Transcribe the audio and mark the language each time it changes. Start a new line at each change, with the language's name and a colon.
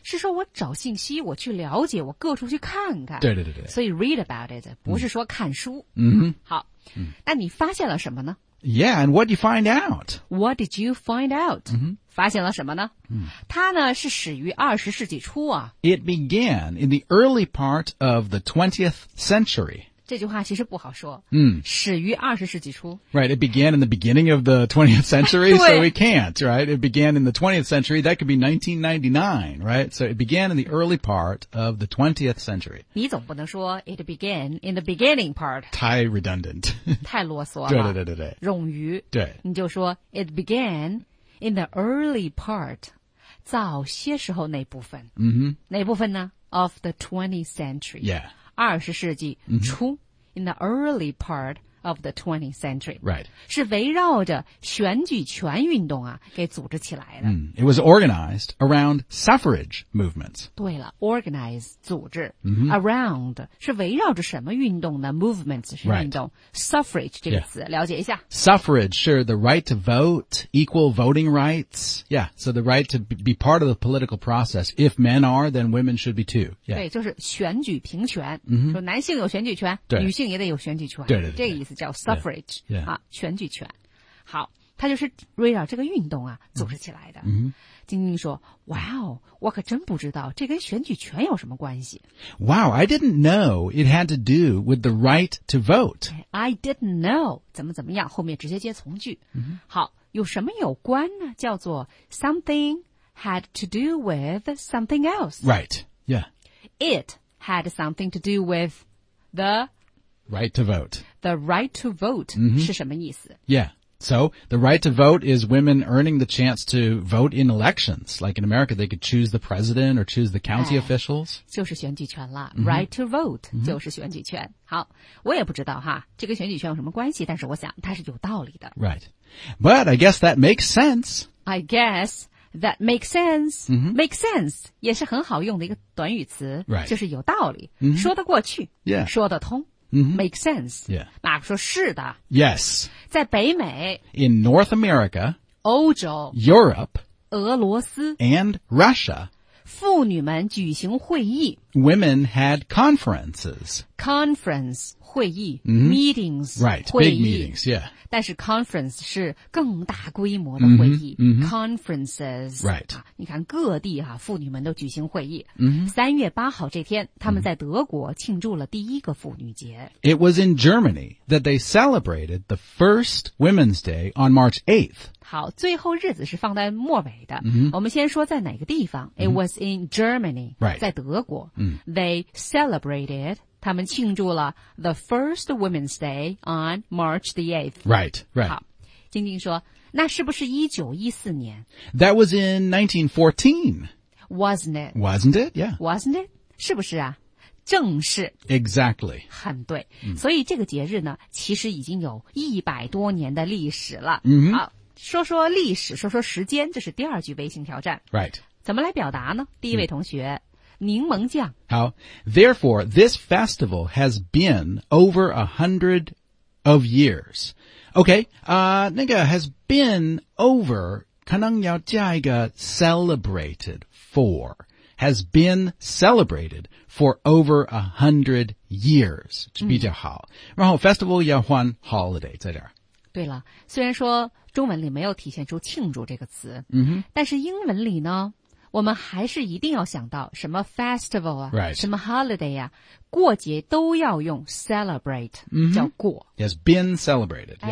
Chinese: 是说我找信息我去了解我各处去看看。对对对对。所以 read about it, 不是说看书。嗯。好。那你发现了什么呢
English: Yeah, and what did you find out? What did you find out?、 Mm-hmm.
Chinese: 发现了什么呢、 mm-hmm. 它呢是始于二十世纪初啊。
English: It began in the early part of the 20th century.
Chinese: 这句话其实不好说。嗯、mm. 始于二十世纪初。
English: Right, it began in the beginning of the 20th century, so we can't, right? It began in the 20th century, that could be 1999, right? So it began in the early part of the 20th century.
Chinese: 你总不能说
English: it began in the beginning part.
Chinese: 太 redundant. 太啰嗦了。对对对对。冗余。对。你就说
English: it began in the early part,
Chinese: 早些时候那部分。嗯哼。哪部分呢
English: ?of the 20th century. Yeah.
Chinese: 二十世纪初、mm-hmm.
English: in the early part of the 20th century. Right.
Chinese: 是围绕着选举权运动啊给组织起来的。
English: Mm. It was organized around suffrage movements.
Chinese: 对了 ,organize, 组织、 mm-hmm. around, 是围绕着什么运动呢 ?movements 是运动。
English: Right.
Chinese: Suffrage 这个词、
English: yeah.
Chinese: 了解一下。
English: Suffrage, sure, the right to vote, equal voting rights. Yeah, so the right to be part of the political process. If men are, then women should be too.、Yeah.
Chinese: 对就是选举平权。 Mm-hmm. 说男性有选举权对女性也得有选举权。对对 对, 对。意思叫 suffrage
English: yeah, yeah.
Chinese: 啊，选举权。好，它就是围绕这个运动啊组织起来的。 Mm-hmm. 晶晶说：“哇哦，我可真不知道这跟选举权有什么关系。
English: ”Wow, I didn't know it had to do with the right to vote. I didn't know
Chinese: 怎么怎么样，后面直接接从句。 Mm-hmm. 好，有什么有关呢？叫做
English: something had to do with something else. Right. Yeah. It had something to do with the. Right to vote. The right to vote、 mm-hmm.
Chinese: 是什么意思
English: Yeah. So, the right to vote is women earning the chance to vote in elections. Like in America, they could choose the president or choose the county、 officials.
Chinese: 就是选举权了、mm-hmm.
English: Right to vote、
Chinese: mm-hmm. 就是选举权。好，我也不知道哈，这个选举权有什么关系，但是我想它是有道理的。
English: Right. But I guess that makes sense. I guess that makes sense.、 Mm-hmm.
Chinese: Makes sense 也是很好用的一个短语词。
English: Right.
Chinese: 就是有道理、 mm-hmm. 说得过去、
English: yeah.
Chinese: 说得通。 Mm-hmm.
English: Make sense. Yeah.
Chinese: 马克说是的。
English: Yes.
Chinese: 在北美。
English: In North America.
Chinese: 欧洲。
English: Europe.
Chinese: 俄罗斯。
English: And Russia.
Chinese: 妇女们举行会议。
English: Women had conferences.
Chinese: Conference, 会议。 Mm-hmm.
English: Meetings. Right, big meetings, yeah.
Chinese: 但是 conference 是更大规模的会议。 Mm-hmm.
English: Conferences. Right.、
Chinese: 啊、你看各地、啊、妇女们都举行会议。 Mm-hmm. 3月8号这天他们在德国庆祝了第一个妇女节。
English: It was in Germany that they celebrated the first Women's Day on March 8th.
Chinese: 好最后日子是放在末尾的。 Mm-hmm. 我们先说在哪个地方。
English: It was in Germany. Right.
Chinese: 在德国。 Mm-hmm.
English: They celebrated...
Chinese: 他们庆祝了
English: the first Women's Day on March the 8th. Right, right.
Chinese: 好，晶晶说，那是不是1914年
English: ?That was in 1914. Wasn't it? Wasn't it? Yeah. Wasn't it?
Chinese: 是不是啊？正是。
English: Exactly.
Chinese: 很对。所以这个节日呢，其实已经有100多年的历史了。 Mm-hmm. 好，说说历史，说说时间，这是第二句微信挑战。 Right. 怎么来表达呢？第一位同学。柠檬酱。
English: 好 ,therefore, this festival has been over 100 of years. Okay,
Chinese: 那个
English: has been over, 可能要加一个 celebrated for, has been celebrated for over 100 years,
Chinese: 比较好。然后 festival 要换 holiday, 在这儿。对了虽然说中文里没有体现出庆祝这个词、 mm-hmm. 但是英文里呢我们还是一定要想到什么 festival 啊、
English: right.
Chinese: 什么 holiday 啊，过节都要用 celebrate、 mm-hmm. 叫过
English: Yes, been celebrated、yeah.